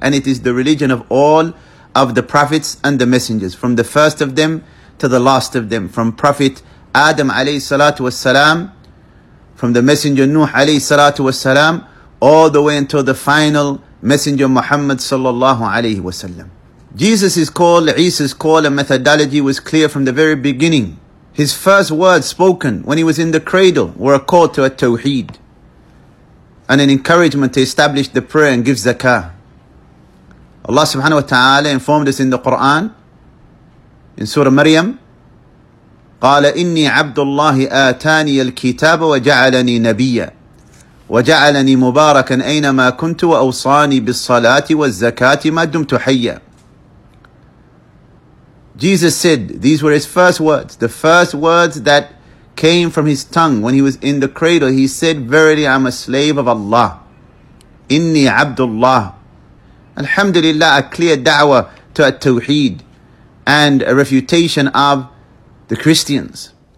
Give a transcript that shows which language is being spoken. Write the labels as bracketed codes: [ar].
[en] And it is the religion of all of the prophets and the messengers, from the first of them to the last of them, from Prophet Adam alayhi salatu wasalam, from the messenger Nuh alayhi salatu wasalam, all the way until the final messenger Muhammad sallallahu alayhi wasallam. Jesus' call, Isa's call and methodology was clear from the very beginning. His first words spoken when he was in the cradle were a call to a tawheed and an encouragement to establish the prayer and give zakah. Allah subhanahu wa ta'ala informed us in the Quran, in Surah Maryam, [ar] قَالَ إِنِّي عَبْدُ اللَّهِ آتَانِيَ الْكِتَابَ وَجَعَلَنِي نَبِيًّا وَجَعَلَنِي مُبَارَكًا أَيْنَمَا كُنْتُ وَأَوْصَانِي بِالصَّلَاةِ وَالزَّكَاةِ مَا دُمْتُ حَيًّا. [en] Jesus said, these were his first words, the first words that came from his tongue when he was in the cradle. He said, verily I'm a slave of Allah. [ar] إِنِّي عَبْدُ اللَّهِ. [en] Alhamdulillah, a clear da'wah to a tawheed and a refutation of the Christians.